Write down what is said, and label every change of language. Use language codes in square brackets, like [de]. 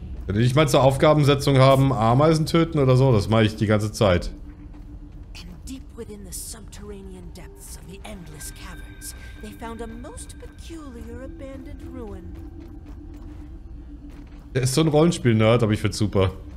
[de] Wenn Wenn ich mal zur Aufgabensetzung haben, Ameisen töten oder so, das mache ich die ganze Zeit. [en] And deep within the subterranean depths of the endless caverns, they found a most peculiar abandoned ruin. [de] Der ist so ein Rollenspiel-Nerd, aber ich find's super.